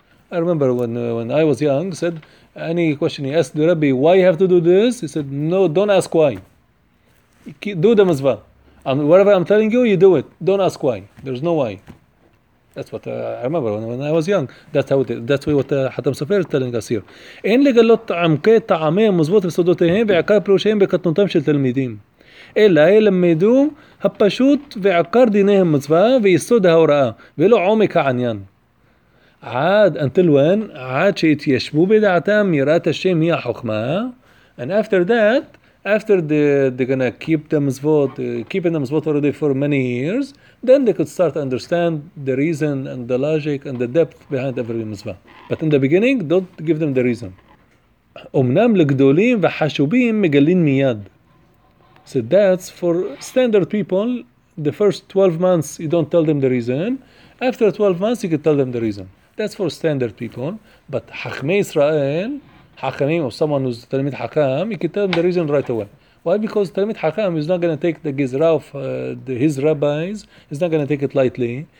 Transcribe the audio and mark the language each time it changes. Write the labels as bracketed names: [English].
[English] I remember when I was young, said any question he asked the rabbi, why you have to do this? He said, no, don't ask why. Do the mitzvah. Whatever I'm telling you, you do it. Don't ask why. There's no why. That's what I remember when I was young. That's what Hatam Sofer is telling us here. [Hebrew] אין לגלות עמקי טעמי המוזבות וסודותיהם ועקר פירושיהם בקטנותם של תלמידים. אלא ילמדו הפשוט ועקר דיני המצווה ויסוד ההוראה ולא עומק העניין. עד, [English] until when, [Hebrew] עד שהתיישבו בדעתם יראת השם היא החוכמה. [English] And after that, after they're gonna keep the mitzvot, keeping the mitzvot already for many years, then they could start to understand the reason and the logic and the depth behind every mitzvah. But in the beginning, don't give them the reason. [Hebrew] אמנם לגדולים וחשובים מגלים מיד. [English] So that's for standard people. The first 12 months, you don't tell them the reason. After 12 months, you could tell them the reason. That's for standard people. But Chachmei Israel, Hakamim, or someone who's Talmid Hakam, you can tell them the reason right away. Why? Because Talmid Hakam is not going to take the Gizra of his rabbis, he's not going to take it lightly.